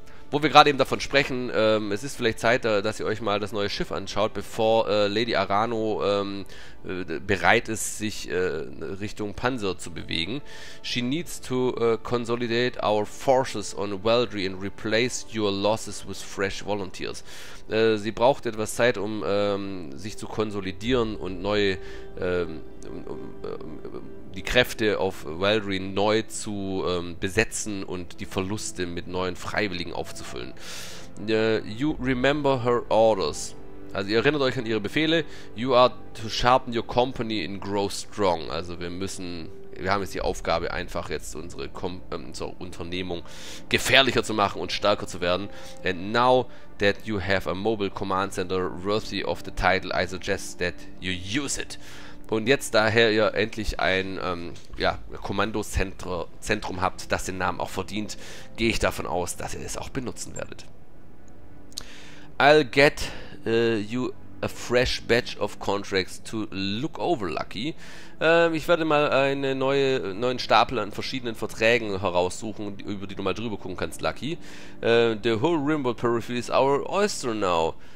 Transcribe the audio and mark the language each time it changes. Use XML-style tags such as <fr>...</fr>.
<de>Wo wir gerade eben davon sprechen, es ist vielleicht Zeit, dass ihr euch mal das neue Schiff anschaut, bevor Lady Arano bereit ist, sich Richtung Panzer zu bewegen.</de> <en>She needs to consolidate our forces on Weldry and replace your losses with fresh volunteers.</en> <de>Sie braucht etwas Zeit, um sich zu konsolidieren und neue die Kräfte auf Weldry neu zu besetzen und die Verluste mit neuen Freiwilligen aufzufüllen.</de> <en>You remember her orders.</en> <de>Also ihr erinnert euch an ihre Befehle.</de> <en>You are to sharpen your company and grow strong.</en> <de>Also wir haben jetzt die Aufgabe, einfach jetzt unsere Unternehmung gefährlicher zu machen und stärker zu werden.</de> <en>And now that you have a mobile command center worthy of the title, I suggest that you use it.</en> <de>Und jetzt, daher ihr endlich ein Kommandozentrum habt, das den Namen auch verdient, gehe ich davon aus, dass ihr es auch benutzen werdet.</de> <en>I'll get you a fresh batch of contracts to look over, Lucky.</en> <de>Ich werde mal einen neuen Stapel an verschiedenen Verträgen heraussuchen, über die du mal drüber gucken kannst, Lucky.</de> <en>The whole Rimworld Periphery is our oyster now.</en>